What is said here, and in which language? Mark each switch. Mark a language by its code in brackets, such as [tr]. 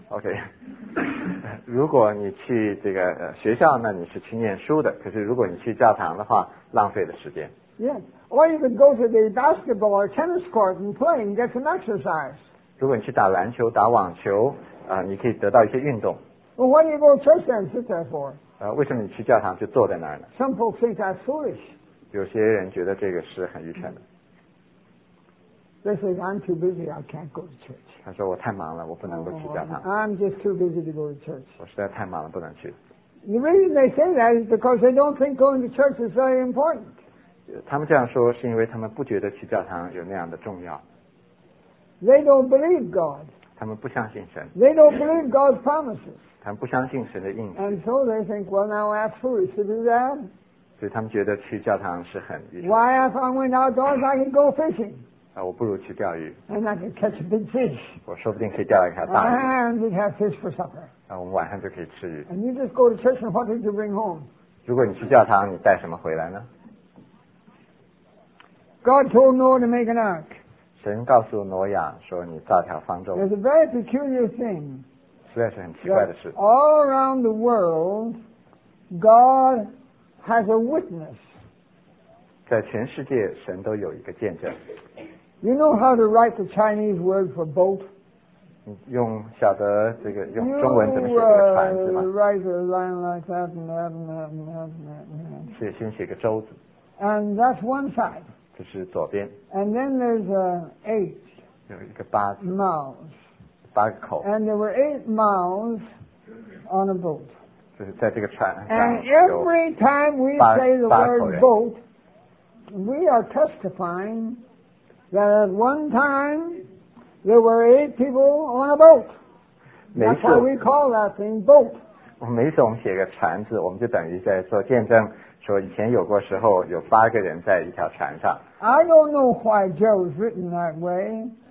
[en] Okay. [zh] 如果你去这个学校，那你是去念书的。可是如果你去教堂的话，浪费了时间。 [en] Yes. Or you could go to the basketball or tennis court and play and get some exercise. [zh] 如果你去打篮球、打网球，你可以得到一些运动。 [en] Well, why do you go to church and sit there for? [zh] 为什么你去教堂就坐在那儿呢？ [en] Some people think that's foolish. [zh] 有些人觉得这个是很愚蠢的。 [en] They say, I'm too busy, I can't go to church. [zh] 他说我太忙了，我不能够去教堂。 [en] I'm just too busy to go to church. [zh] 我实在太忙了，不能去。 [en] The reason they say that is because they don't think going to church is very important. [zh] 他们这样说是因为他们不觉得去教堂有那样的重要。 [en] They don't believe God. [zh] 他们不相信神。 [en] They don't believe God's promises. [zh] 他们不相信神的应许。 [en] And so they think, well, now I have foolish to do that. [zh] 所以他们觉得去教堂是很愚蠢。 [en] Why, if I went outdoors, I can go fishing. [zh] 我不如去钓鱼。 [en] And I can catch a big fish. [zh] 我说不定可以钓一条大鱼。 [en] And we have fish for supper. [zh] 我们晚上就可以吃鱼。 [en] And you just go to church and what did you bring home? [zh] 如果你去教堂，你带什么回来呢？ [en] God told Noah to make an ark. [zh] 神告诉挪亚说你造条方舟。 [en] It's a very peculiar thing. [zh] 实在是很奇怪的事。 [en] All around the world, God has a witness. [zh] 在全世界，神都有一个见证。 [en] You know how to write the Chinese word for boat? [zh] 用晓得这个用中文怎么写这个船是吗？ [en] You write a line like that and that and that and that and that. [zh] 先写个舟子。 [en] And that's one side. [zh] 这是左边。 [en] And then there's an eight. [zh] 有一个八字。 [en] Mouths. [zh] 八个口。 [en] And there were eight mouths on a boat. 就是在这个船上。 And every time we say the word boat, we are testifying. That at one time there were eight people on a boat. That's why we call that thing boat. [zh] 每次我们写个船字，我们就等于在做见证，说以前有过时候有八个人在一条船上。 [en] I don't know why Joe is written that way.